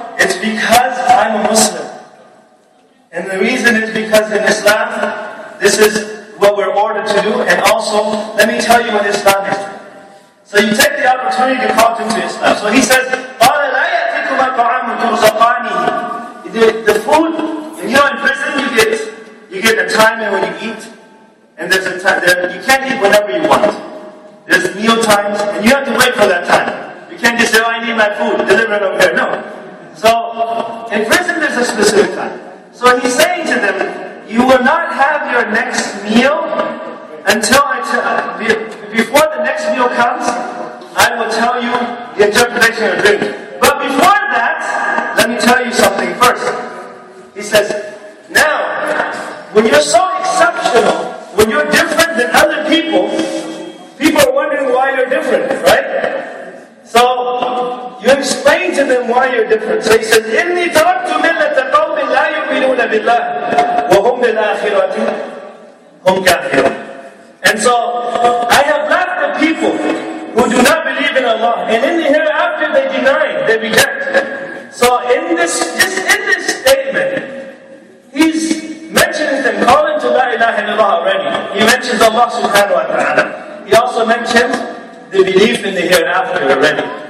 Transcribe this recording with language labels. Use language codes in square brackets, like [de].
[en] It's because I'm a Muslim. And the reason is because in Islam, this is what we're ordered to do, and also, let me tell you what Islam is. So you take the opportunity to call him to Islam. So he says, [ar] قَالَ لَا يَأْتِكُمَا طَعَامٌ تُرْزَقَانِهِ. [en] The food, and you know in prison you get a time when you eat, and there's a time, there, you can't eat whenever you want. There's meal times, and you have to wait for that time. You can't just say, oh, I need my food, deliver it over here. No. So, in prison there's a specific time. So he's saying to them, you will not have your next meal until before the next meal comes, I will tell you the interpretation of the dream. But before that, let me tell you something first. He says, now, when you're so exceptional, when you're different than other people, people are wondering why you're different, right? So, you explain to them why you're different. So he says, [ar] إِنِّي تَرَكْتُ مِلَّةَ قَوْمٍ لا يؤمنون بالله وهم بالآخرة هم كافرون. [en] And so I have left the people who do not believe in Allah, and in the hereafter they deny, they reject. So in this, just in this statement, he's mentioning them calling to La ilaha illallah already. He mentions Allah subhanahu wa ta'ala. He also mentions the belief in the hereafter already.